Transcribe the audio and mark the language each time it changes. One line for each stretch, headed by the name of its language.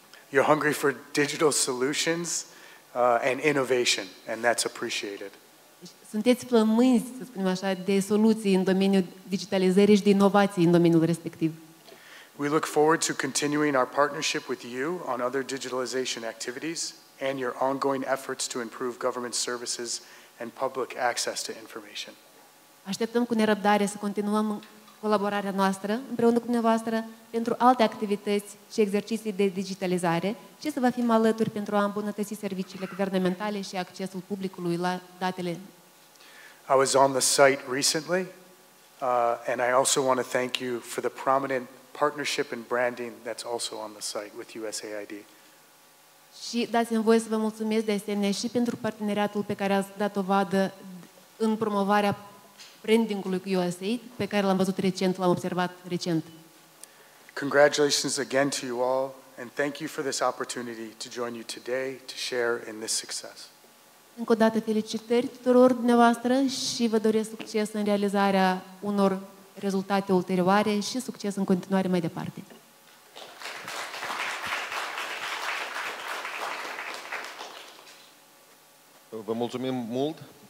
English: You're hungry for digital solutions and innovation, and that's appreciated.
Romanian: Sunteți plămânzi, să spunem așa, de soluții în domeniul digitalizării și de inovații în domeniul respectiv.
English: We look forward to continuing our partnership with you on other digitalization activities and your ongoing efforts to improve government services and public access to information.
Romanian: Așteptăm cu nerăbdare să continuăm colaborarea noastră împreună cu dumneavoastră pentru alte activități și exerciții de digitalizare și să vă fim alături pentru a îmbunătăți serviciile guvernamentale și accesul publicului la datele.
English: I was on the site recently and I also want to thank you for the prominent partnership and branding that's also on the site with USAID.
Romanian: Și dați-mi voie să vă mulțumesc de asemenea și pentru parteneriatul pe care ați dat dovadă în promovarea branding-ului cu USAID, pe care l-am văzut recent, l-am observat recent.
English: Congratulations again to you all and thank you for this opportunity to join you today to share in this success.
Romanian: Încă o dată felicitări tuturor dumneavoastră și vă doresc succes în realizarea unor rezultate ulterioare și succes în continuare mai departe. Vă mulțumim mult.